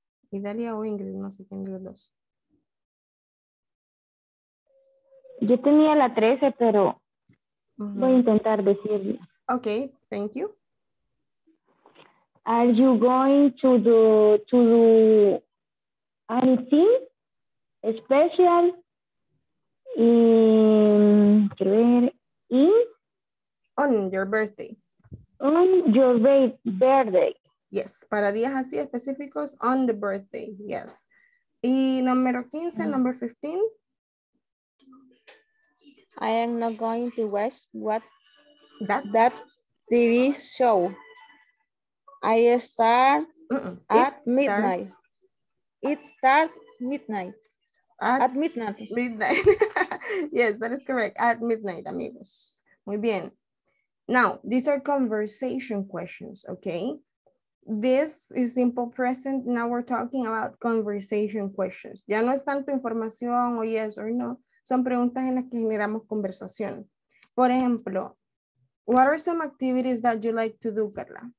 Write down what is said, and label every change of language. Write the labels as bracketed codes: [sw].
[es] Idalia o Ingrid, no sé quién de los dos. Yo tenía la 13, pero uh-huh. Voy a intentar decirla. [en] Ok, thank you. Are you going to do anything special in on your birthday? On your birthday. Yes, [es] para días así específicos, [en] on the birthday, yes. [es] Y número 15, [en] number 15. I am not going to watch that TV show. I start at midnight. It starts midnight. At midnight. Midnight. Yes, that is correct. At midnight, amigos. [es] Muy bien. [en] Now, these are conversation questions, okay? This is simple present. Now we're talking about conversation questions. [es] Ya no es tanto información o [en] yes or no. [es] Son preguntas en las que generamos conversación. Por ejemplo, [en] what are some activities that you like to do, Carla?